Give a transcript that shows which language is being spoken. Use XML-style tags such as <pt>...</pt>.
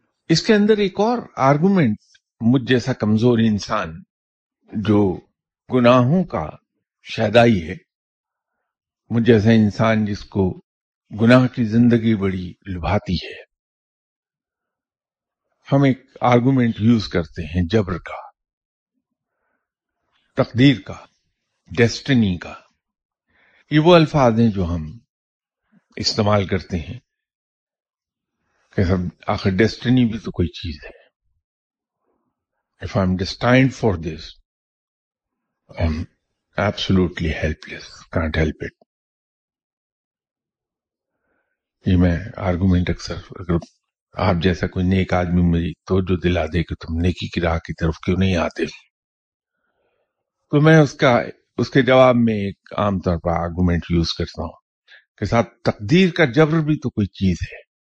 <ur>اس کے اندر ایک اور آرگومنٹ، مجھ جیسا کمزور انسان جو گناہوں کا شیدائی ہے، مجھ جیسا انسان جس کو گناہ کی زندگی بڑی لبھاتی ہے، ہم ایک آرگومنٹ یوز کرتے ہیں جبر کا، تقدیر کا، ڈیسٹنی کا. یہ وہ الفاظ ہیں جو ہم استعمال کرتے ہیں کہ سب آخر ڈیسٹنی بھی تو کوئی چیز ہے.</ur> <en>If I'm destined for this, I'm absolutely helpless, can't help it.</en> <ur>یہ میں آرگومنٹ اکثر، اگر آپ جیسا کوئی نیک آدمی مجھے توجہ دلا دے کہ تم نیکی کی راہ کی طرف کیوں نہیں آتے، تو میں اس کے جواب میں ایک عام طور پر آرگومنٹ یوز کرتا ہوں کہ ساتھ تقدیر کا جبر بھی تو کوئی چیز ہے.</ur>